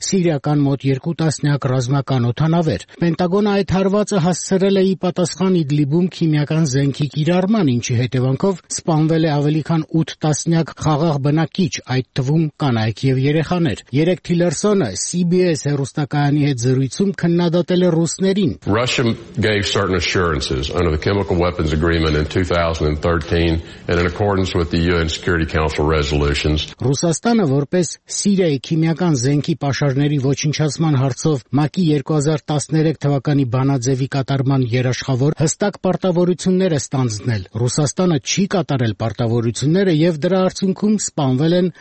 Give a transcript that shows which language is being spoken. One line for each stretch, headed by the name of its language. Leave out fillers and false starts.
Armenian: սիրիական մոտ 2 տասնյակ ռազմական օթանավեր։ Պենտագոնը այդ հարվածը հասցրել է ի պատասխան Իդլիբում քիմիական զենքի կիրառման, ինչի հետևանքով սպանվել է ավելի քան 8 տասնյակ խաղաղ բնակիչ, այդ թվում կանայք եւ երեխաներ։ Երեք Թիլերսոնը CBS հեռուստակայանի հետ զրույցում քննադատել է ռուսներին.
English: Russia gave certain assurances under the chemical weapons agreement in 2013 and in accordance with the UN Security Council resolutions.
Armenian: Ռուսաստանը որպես Սիրիայի քիմիական զենքի պաշարների ոչ ինչացման հարցով ՄԱԿ-ի 2013 թվականի բանաձևի կատարման երաշխավոր հստակ պարտավորություններ է ստանձնել։ Ռուսաստանը չի կատարել պարտավորությունները եւ դրա արդյունքում սպանվել են